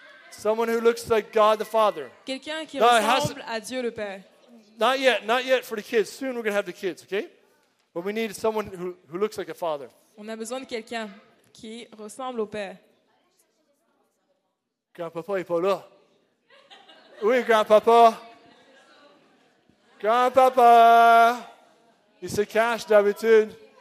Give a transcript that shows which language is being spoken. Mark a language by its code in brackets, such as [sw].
[en] Someone who looks like God the Father. [fr] Quelqu'un qui ressemble à Dieu le Père. [en] Not yet for the kids. Soon we're going to have the kids, okay? But we need someone who looks like a father. [fr] On a besoin de quelqu'un qui ressemble au Père. Grand-papa n'est pas là. Oui, grand-papa. Grand-papa. Il se cache d'habitude.